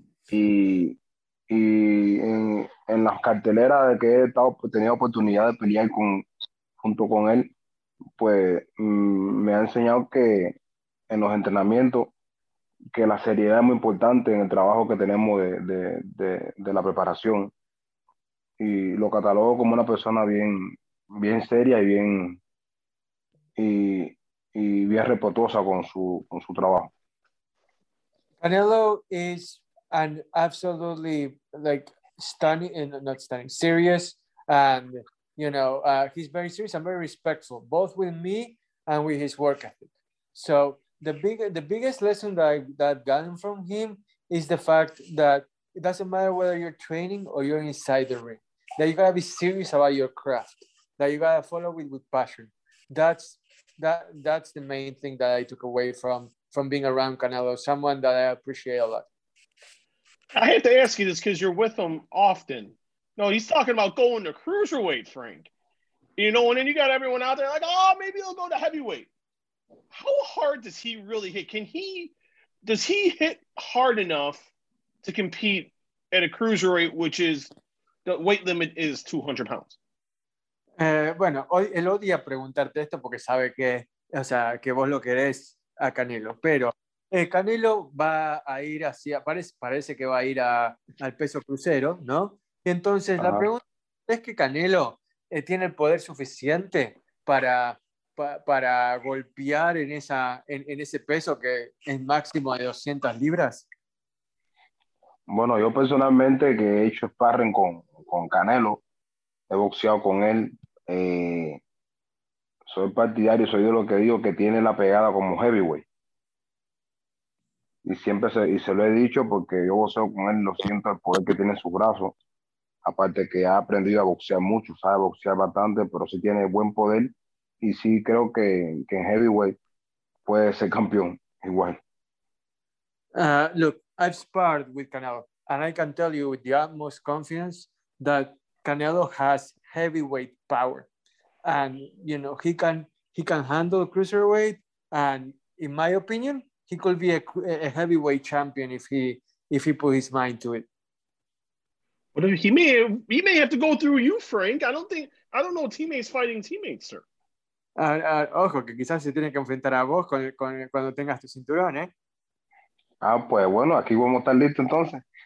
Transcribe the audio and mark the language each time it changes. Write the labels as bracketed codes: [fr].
[es] Y en las carteleras de que tenía oportunidad de pelear junto con él, pues me ha enseñado que en los entrenamientos, que la seriedad es muy importante en el trabajo que tenemos de la preparación. Y lo catalogo como una persona bien, bien seria y bien, y bien respetuosa con su trabajo. [en] Canelo is an absolutely like stunning, not stunning, serious, and you know, he's very serious and very respectful, both with me and with his work ethic. So the biggest lesson that I've gotten from him is the fact that it doesn't matter whether you're training or you're inside the ring, that you gotta be serious about your craft, that you gotta follow it with passion. That's the main thing that I took away from being around Canelo, someone that I appreciate a lot. I have to ask you this because you're with him often. No, he's talking about going to cruiserweight, Frank. You know, and then you got everyone out there like, oh, maybe he'll go to heavyweight. How hard does he really hit? Does he hit hard enough to compete at a cruiserweight, which is the weight limit is 200 pounds? [es] Bueno, hoy él odia preguntarte esto porque sabe que, o sea, que vos lo querés a Canelo, pero... Canelo va a ir hacia, parece que va a ir al peso crucero, ¿no? Entonces, la pregunta es que Canelo tiene el poder suficiente para golpear en ese peso que es máximo de 200 libras. Bueno, yo personalmente que he hecho sparring con Canelo, he boxeado con él, soy partidario, soy de lo que digo que tiene la pegada como heavyweight. Y siempre se lo he dicho porque yo boxeo con él, lo siento, el poder que tiene en su brazo. Aparte que ha aprendido a boxear mucho, sabe boxear bastante, pero sí tiene buen poder. Y sí creo que en heavyweight puede ser campeón igual. [en] Look, I've sparred with Canelo. And I can tell you with the utmost confidence that Canelo has heavyweight power. And, you know, he can handle cruiserweight. And in my opinion, he could be a heavyweight champion if he put his mind to it. But he may have to go through you, Frank. I don't know teammates fighting teammates, sir. [es] Ojo, que quizás se tiene que enfrentar a vos con cuando tengas tu cinturón, ¿eh? Ah, pues bueno, aquí vamos a estar listos entonces.